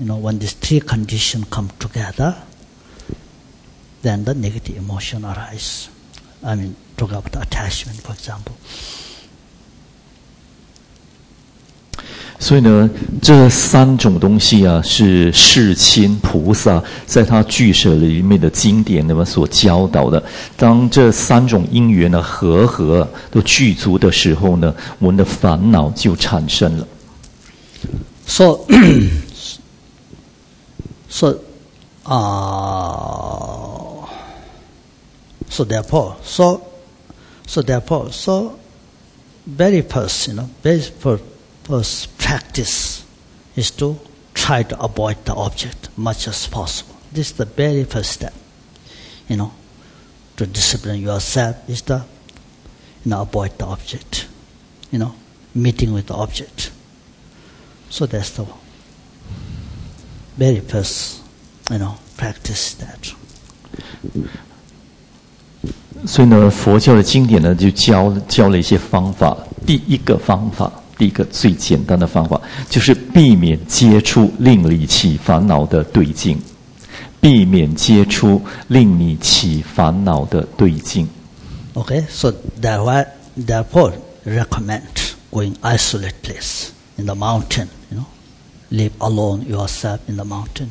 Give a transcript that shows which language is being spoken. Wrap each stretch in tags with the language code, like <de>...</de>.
<en>You know, when these three conditions come together, then the negative emotion arises. I mean, talk about the attachment, for example.</en> <zh>所以呢，这三种东西啊，是世亲菩萨在他俱舍里面的经典里面所教导的。当这三种因缘呢和合都具足的时候呢，我们的烦恼就产生了。说说啊。</zh> <en>So therefore, very first, you know, very first practice is to try to avoid the object much as possible. This is the very first step, you know, to discipline yourself is to, you know, avoid the object, you know, meeting with the object. So that's the very first, you know, practice that.</en> <zh>所以呢，佛教的经典呢，就教了一些方法。第一个方法，第一个最简单的方法，就是避免接触令你起烦恼的对境，避免接触令你起烦恼的对境。</zh> <en>Okay, so therefore recommend going isolate place in the mountain, you know, live alone yourself in the mountain.</en>